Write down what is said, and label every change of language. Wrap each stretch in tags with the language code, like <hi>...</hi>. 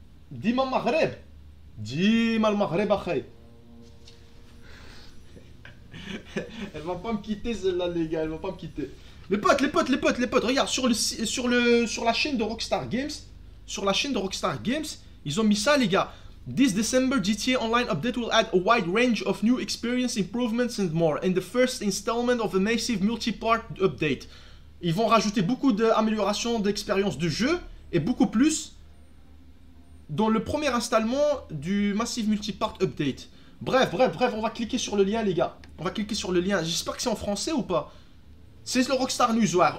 <ar>Dima Maghreb. Dima le Maghreb, achay.</ar> <fr>Elle va pas me quitter celle-là, les gars. Elle va pas me quitter. Les potes. Regarde sur la chaîne de Rockstar Games. Sur la chaîne de Rockstar Games, ils ont mis ça, les gars.</fr> <en>This December GTA Online update will add a wide range of new experience improvements and more in the first installment of a massive multi-part update.</en> <fr>Ils vont rajouter beaucoup d'améliorations d'expérience de jeu et beaucoup plus dans le premier installement du</fr> <en>massive multi-part update.</en> <fr>Bref, on va cliquer sur le lien, les gars. On va cliquer sur le lien. J'espère que c'est en français ou pas. C'est le Rockstar Newswire.</fr>